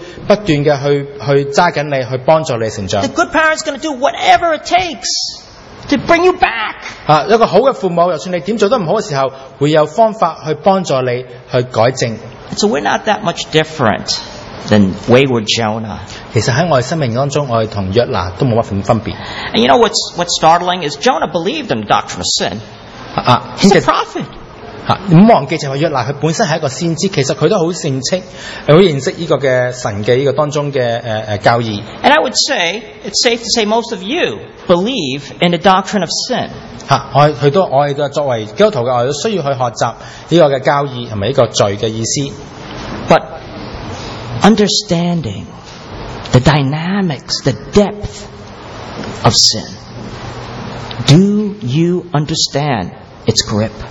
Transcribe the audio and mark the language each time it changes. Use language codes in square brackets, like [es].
[zh] 好像我们生命当中的父母一样，你就算你怎样做得不好的时候，父母会不断地去抓紧你，去帮助你成长。 [en] The good parent's going to do whatever it takes to bring you back. [zh] 一个好的父母，就算你怎样做得不好的时候，会有方法去帮助你去改正。 [en] So we're not that much different than wayward Jonah. [zh] 其实在我们生命当中，我们和约拿都没什么分别。 [en] And you know what's startling is Jonah believed in the doctrine of sin. He's a prophet. [zh] 不忘记就是约拿，他本身是一个先知，其实他都很认识，很认识这个神的当中的教义。 [en] And I would say, it's safe to say most of you believe in the doctrine of sin. [zh] 我们作为基督徒，我们都需要去学习这个教义，是不是这个罪的意思。 [en] But understanding the dynamics, the depth of sin, do you understand its grip?